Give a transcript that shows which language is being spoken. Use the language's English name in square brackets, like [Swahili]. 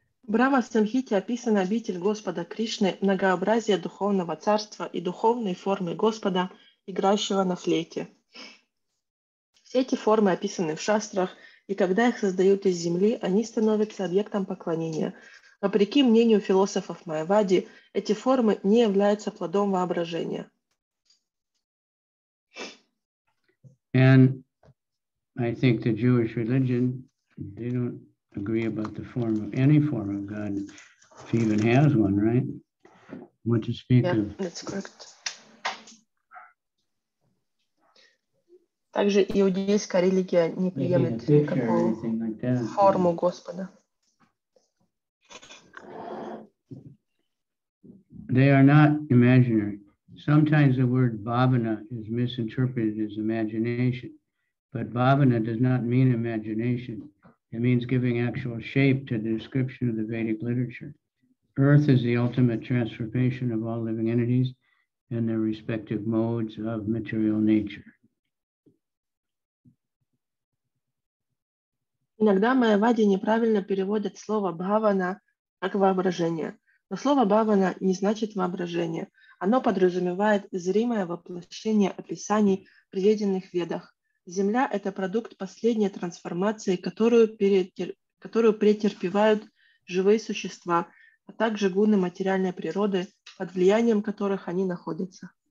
[Russian] Брама Самхите описан обитель Господа Кришны, многообразие духовного царства и духовные формы Господа, играющего на флейте. Все эти формы описаны в шастрах, и когда их создают из земли, они становятся объектом поклонения. Вопреки мнению философов Майявади, эти формы не являются плодом воображения. [English] And I think the Jewish religion, they don't agree about the form of any form of God, if he even has one, right? What to speak yeah, of? Yeah, that's correct. [Russian] Также иудейская религия не приемлет никакую форму Господа. [English] They are not imaginary. Sometimes the word bhavana is misinterpreted as imagination, but bhavana does not mean imagination. It means giving actual shape to the description of the Vedic literature. Earth is the ultimate transformation of all living entities and their respective modes of material nature. [Russian] Иногда майявади неправильно переводят слово бхавана как воображение. Но слово бхавана не значит воображение. Оно подразумевает зримое воплощение описаний, приведенных в ведах. Земля — это продукт последней трансформации, которую претерпевают живые существа, а также гуны материальной природы, под влиянием которых они находятся.